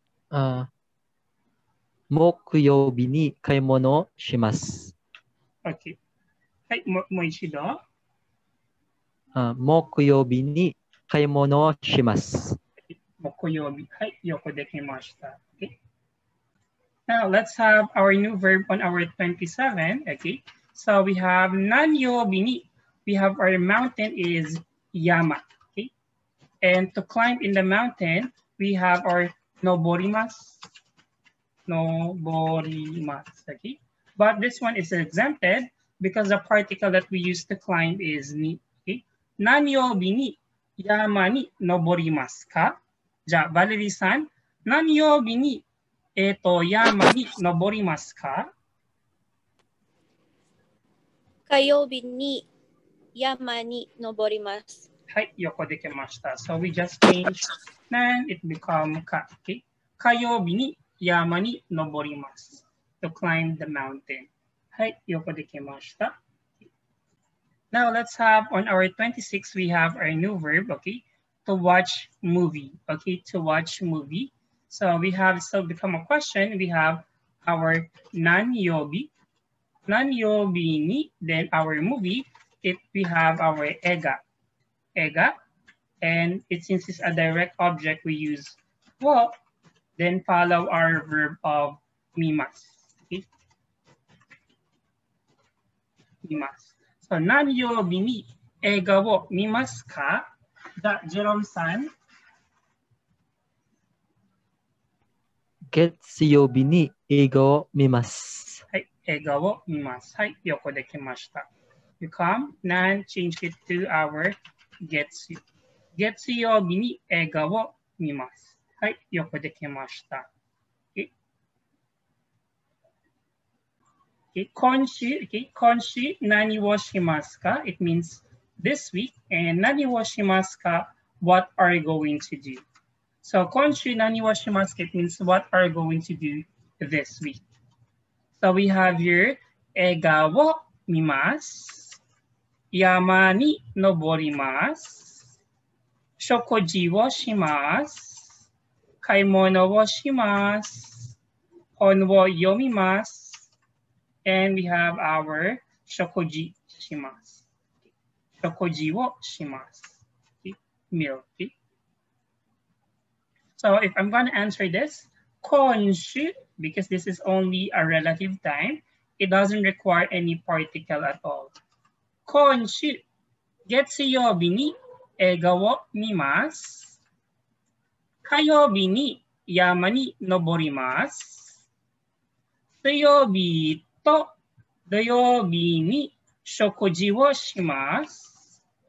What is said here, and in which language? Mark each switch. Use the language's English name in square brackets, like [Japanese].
[Japanese] あ、木曜日に買い物をします。 OK。 はい、もう一度。あ、木曜日に買い物をします。木曜日。はい、よくできました。Okay? [English] Now, let's have our new verb on our 27. Okay? So, we have [Japanese] 何曜日に。 [English] We have our mountain is 山.Okay? And to climb in the mountain, we have our [Japanese] 登ります。登ります。Okay? [English] But this one is exempted because the particle that we use to climb is に. Okay? [Japanese] 何曜日に山に登りますか? じゃあ、バレリーさん、何曜日に、山に登りますか? 火曜日に山に登ります。はい、よくできました。 [English] So we just change, then it become か、okay? [Japanese] 火曜日に山に登ります。 [English] To climb the mountain. [Japanese] はい、よくできました。 [English] Now let's have on our 26, we have our new verb, okay? To watch movie, okay? To watch movie. So we have, so become a question, we have our 何曜日, 何曜日に, then our movie, it, we have our 映画, 映画, and it, since it's a direct object, we use 我, then follow our verb of 見ます, okay? [Japanese] 見ます。何曜日に映画を見ますか? じゃあ、ジェロムさん。月曜日に映画を見ます。はい、映画を見ます。はい、よくできました。 [English] You come, then change it to our [Japanese] 月曜日に映画を見ます。はい、よくできました。今週何をしますか? [English] It means this week. And 何をしますか? What are you going to do? [Japanese] So 今週何をしますか? [English] It means what are you going to do this week? So we have here [Japanese] 映画を見ます。山に登ります。食事をします。買い物をします。本を読みます。 [English] And we have our [Japanese] 食事します。食事をします。Meal. [English] So if I'm going to answer this, 今週, because this is only a relative time, it doesn't require any particle at all. [Japanese] 今週, 月曜日に映画を見ます。火曜日に山に登ります。水曜日と土曜日に食事をします。